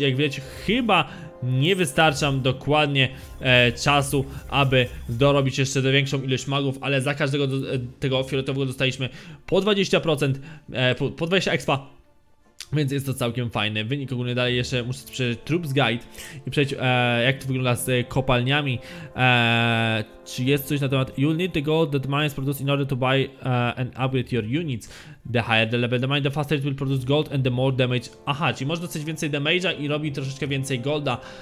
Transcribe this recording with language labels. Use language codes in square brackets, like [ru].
[pl] Jak wiecie, chyba nie wystarczam dokładnie czasu, aby dorobić jeszcze do większą ilość magów, ale za każdego tego fioletowego dostaliśmy po 20%, po 20 expa, więc jest to całkiem fajny wynik. Ogólnie dalej jeszcze muszę przejść Troops Guide i przejść jak to wygląda z kopalniami. Czy jest coś na temat [en] You'll need the gold that mines produce in order to buy and upgrade your units. The higher the level the mine, the faster it will produce gold and the more damage. [pl] Aha, czyli można dostać więcej damage'a i robi troszeczkę więcej golda.